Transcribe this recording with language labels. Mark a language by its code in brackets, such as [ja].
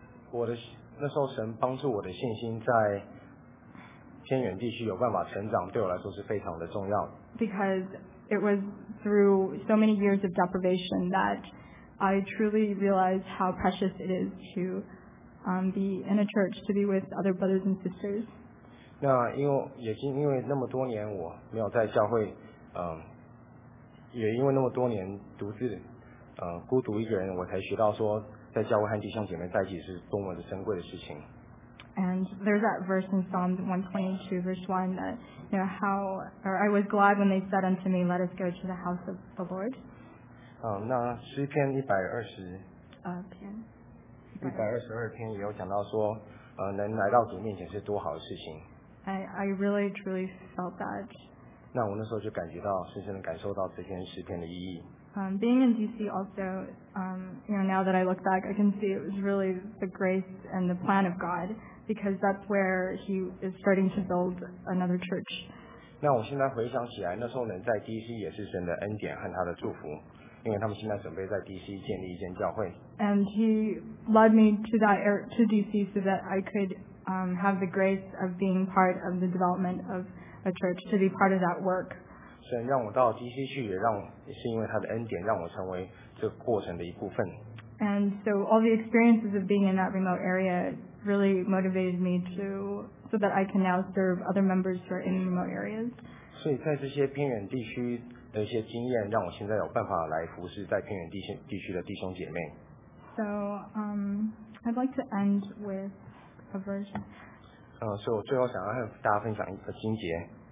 [zh] 我的那时候神帮助我的信心在偏远地区有办法成长，对我来说是非常的重要。 [en] Because it was through so many years of deprivation that I truly realized how precious it is to be in a church, to be with other brothers and sisters. [zh] 那因为那么多年我没有在教会，也因为那么多年独自孤独一个人，我才学到说在教会和弟兄姐妹在一起是多么的珍贵的事情。 [en] And there's that verse in Psalms 122, verse 1, that, you know, how, or I was glad when they said unto me, let us go to the house of the Lord. [zh] 那诗篇 122 篇也有讲到说，能来到主面前是多好的事情。 [en] I really, truly felt that. [zh] 那我那时候就感觉到，深深的感受到这篇诗篇的意义。 [en] Being in DC also, you know, now that I look back, I can see it was really the grace and the plan of God, because that's where He is starting to build another church. [zh] 那我现在回想起来，那时候能在 DC 也是神的恩典和他的祝福，因为他们现在准备在 DC 建立一间教会。 [en] And He led me to DC so that I could have the grace of being part of the development of a church, to be part of that work. [zh] 神让我到 DC 去，也让是因为他的恩典，让我成为这个过程的一部分。 [en] And so all the experiences of being in that remote area really motivated me to so that I can now serve other members who are in remote areas. [zh] 所以在这些偏远地区的一些经验，让我现在有办法来服侍在偏远地区的弟兄姐妹。 [en] So I'd like to end with a verse. [zh] 所以我最后想要和大家分享一个经节。